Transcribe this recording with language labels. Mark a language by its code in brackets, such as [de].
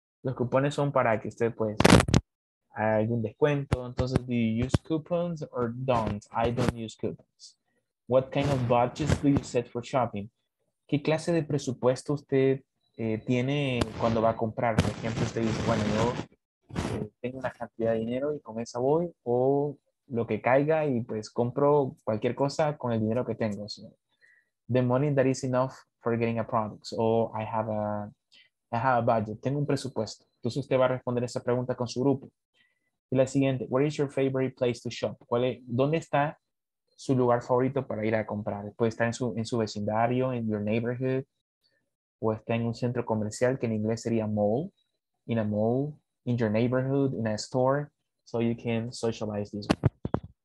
[es] Los cupones son para que usted pues algún descuento. [en] Entonces, do you use coupons or don't? I don't use coupons. What kind of budgets do you set for shopping? [es] ¿Qué clase de presupuesto usted tiene cuando va a comprar? Por ejemplo, usted dice, bueno, yo tengo una cantidad de dinero y con esa voy, o lo que caiga y pues compro cualquier cosa con el dinero que tengo. [en] So, the money that is enough for getting a product. So, I have a budget. [es] Tengo un presupuesto. Entonces usted va a responder esa pregunta con su grupo. Y la siguiente, [en] what is your favorite place to shop? [es] ¿Dónde está su lugar favorito para ir a comprar? Puede estar en su vecindario, en [en] your neighborhood, [es] o está en un centro comercial, que en inglés sería mall, [en] in a mall, in your neighborhood, in a store, so you can socialize this way.